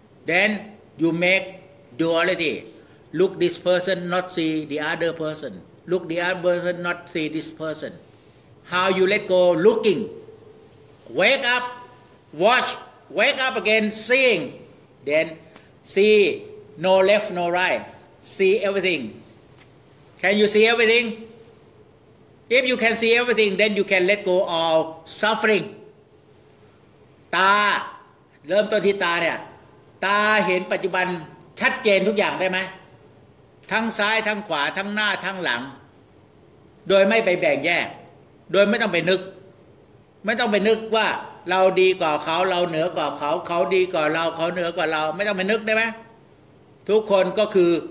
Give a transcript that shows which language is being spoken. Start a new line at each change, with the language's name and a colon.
English: then you make duality look this person not see the other person look the other person not see this person how you let go looking wake up watchWake up again, seeing, then see no left, no right, see everything. Can you see everything? If you can see everything, then you can let go of suffering.
Thai: ตาเริ่มต้นที่ตาเนี่ยตาเห็นปัจจุบันชัดเจนทุกอย่างได้ไหมทั้งซ้ายทั้งขวาทั้งหน้าทั้งหลังโดยไม่ไปแบ่งแยกโดยไม่ต้องไปนึกไม่ต้องไปนึกว่าเราดีกว่าเขาเราเหนือกว่าเขาเขาดีกว่าเราเขาเหนือกว่าเราไม่ต้องไปนึกได้ไหมทุกคนก็คื